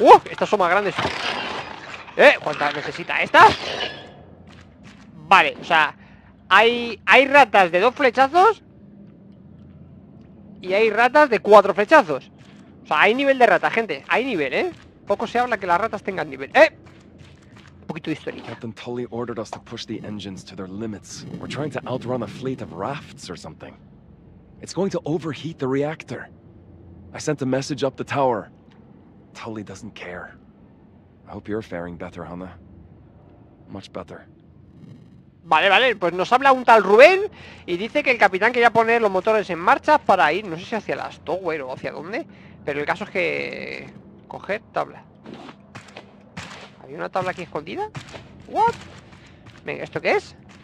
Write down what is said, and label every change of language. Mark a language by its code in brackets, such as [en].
[es] Estas son más grandes. ¿Cuántas necesita esta? Vale, o sea, hay ratas de dos flechazos y hay ratas de cuatro flechazos. O sea, hay nivel de rata, gente. Hay nivel, ¿eh? Poco se habla que las ratas tengan nivel. Poquito de historia. [en] Captain Tully ordered us to push the engines to their limits. We're trying to outrun a fleet of rafts or something. It's going to overheat the reactor. I sent a message up the tower. Tully doesn't care. I hope you're faring better, Hannah. Much better. [es] Vale, vale. Pues nos habla un tal Rubén y dice que el capitán quería poner los motores en marcha para ir, no sé si hacia las Tower o hacia dónde, pero el caso es que coger tabla. ¿Hay una tabla aquí escondida? ¿What? Venga, ¿esto qué es?